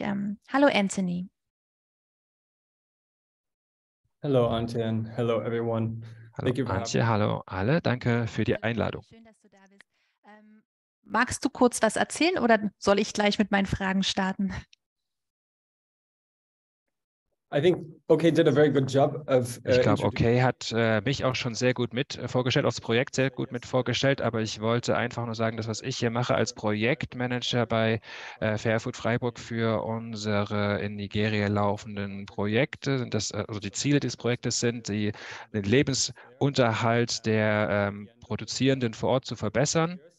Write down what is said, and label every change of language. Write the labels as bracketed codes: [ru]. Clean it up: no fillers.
[de] Hallo, Anthony. [en] Hello, Antje. Hello, everyone. Thank you for having me. Antje, [de] hallo alle. Danke für die Einladung. Schön, dass du da bist. Magst du kurz was erzählen oder soll ich gleich mit meinen Fragen starten? [en] I think OK did a very good job of. [de] Ich glaube, OK hat mich auch schon sehr gut mit vorgestellt, auch das Projekt sehr gut mit vorgestellt. Aber ich wollte einfach nur sagen, das, was ich hier mache als Projektmanager bei Fairfood Freiburg für unsere in Nigeria laufenden Projekte, sind das, also die Ziele des Projektes sind, den Lebensunterhalt der Produzierenden vor Ort zu verbessern.